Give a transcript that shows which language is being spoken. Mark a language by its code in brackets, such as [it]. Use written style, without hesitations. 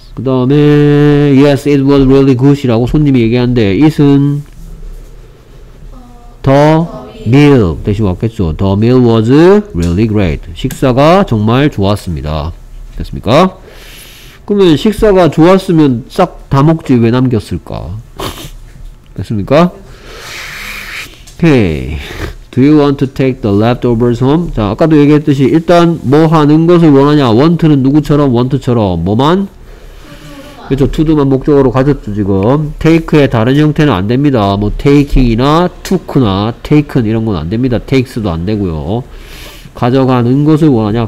[ko] 그 다음에 [en] yes it was really good [ko] 이라고 손님이 얘기한데 it은 더 meal 대신 왔겠죠. [en] The meal was really great. [ko] 식사가 정말 좋았습니다. 됐습니까? 그러면 식사가 좋았으면 싹 다 먹지 왜 남겼을까? 됐습니까? Okay. [en] Do you want to take the leftovers home? [ko] 자, 아까도 얘기했듯이 일단 뭐 하는 것을 원하냐? want는 누구처럼? want처럼 뭐만? 그렇죠. to도만 목적으로 가졌죠. 지금 take의 다른 형태는 안 됩니다. 뭐 taking이나 took나 taken 이런 건 안 됩니다. takes도 안 되고요. 가져가는 것을 원하냐.